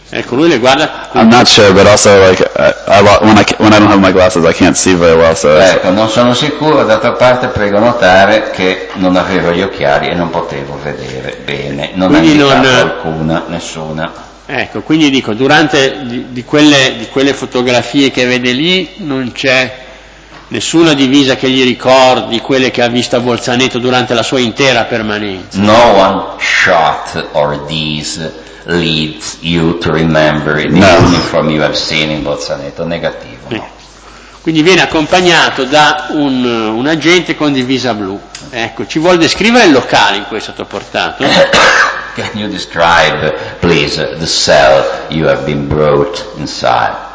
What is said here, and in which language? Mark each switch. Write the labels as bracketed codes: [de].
[en] I'm not sure, but also like when I don't have my glasses, I can't see very well. So [it] ecco, non sono sicuro. D'altra parte, prego notare che non avevo gli occhiali e non potevo vedere bene. Non quindi ha indicato alcuna, nessuna. Ecco, quindi dico durante di quelle fotografie che vede lì non c'è nessuna divisa che gli ricordi quelle che ha visto a Bolzaneto durante la sua intera permanenza. [en] No one shot or these leads you to remember the uniform you have seen in Bolzaneto. [it] Negativo. Quindi viene accompagnato da un agente con divisa blu. Ecco, ci vuole descrivere il locale in cui è stato portato? [en] Can you describe, please, the cell you have been brought inside?